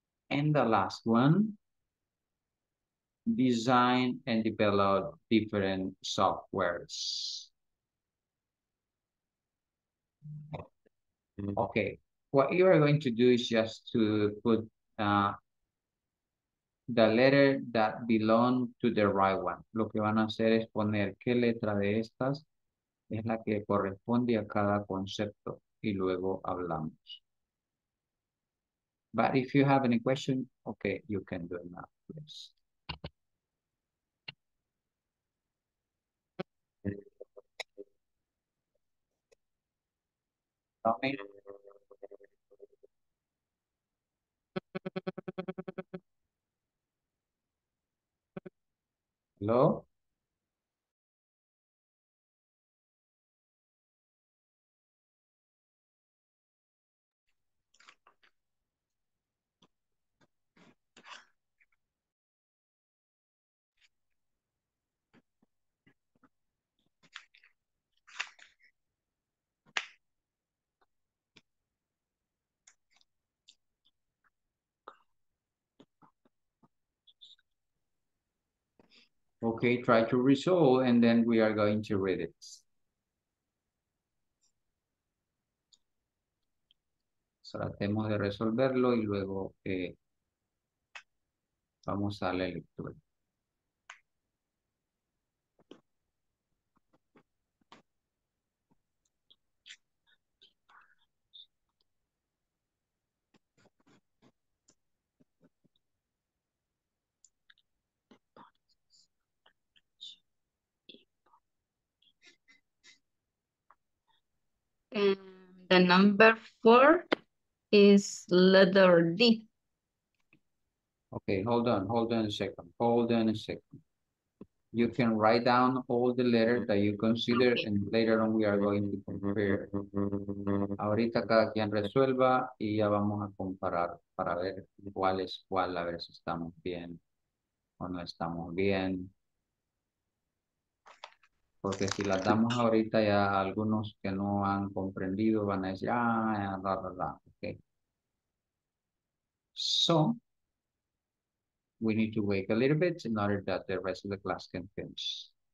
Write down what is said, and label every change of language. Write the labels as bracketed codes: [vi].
[en] And the last one, design and develop different softwares. Okay, what you are going to do is just to put the letter that belong to the right one. [es] Lo que van a hacer es poner qué letra de estas es la que corresponde a cada concepto y luego hablamos. [en] But if you have any question, okay, you can do it now, please. Hello? Okay, try to resolve, and then we are going to read it. [es] Tratemos de resolverlo y luego vamos a la lectura. [en] And the number 4 is letter D. Okay, hold on a second. You can write down all the letters that you consider, okay. And later on we are going to compare. [es] Ahorita cada quien resuelva y ya vamos a comparar para ver cuál es cuál, a ver si estamos bien o no estamos bien. Porque si las damos ahorita ya algunos que no han comprendido van a decir, okay. [en] So, we need to wait a little bit in order that the rest of the class can finish.